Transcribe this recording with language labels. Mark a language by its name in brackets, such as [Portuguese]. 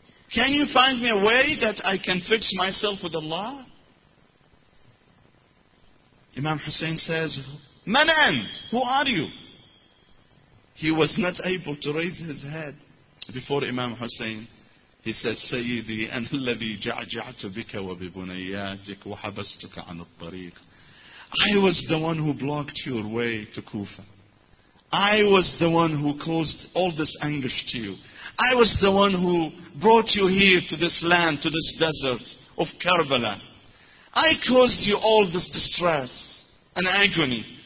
[English] Can you find me a way that I can fix myself with Allah? Imam Hussein says, Man and, who are you? He was not able to raise his head before Imam Hussein. He says, [Arabic] Sayyidi, أنا الذي جعجعت بك وببنياتك وحبستك عن الطريق. [English] I was the one who blocked your way to Kufa. I was the one who caused all this anguish to you. I was the one who brought you here to this land, to this desert of Karbala. I caused you all this distress and agony.